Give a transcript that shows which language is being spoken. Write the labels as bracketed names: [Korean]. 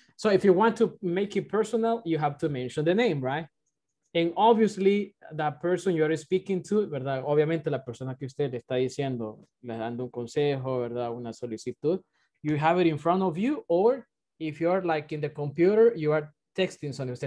[English] So if you want to make it personal, you have to mention the name, right? And obviously, that person you are speaking to, ¿verdad? [Spanish] Obviamente, la persona que usted le está diciendo, le dando un consejo, ¿verdad? Una solicitud. [English] You have it in front of you, or if you're like in the computer, you are texting someone.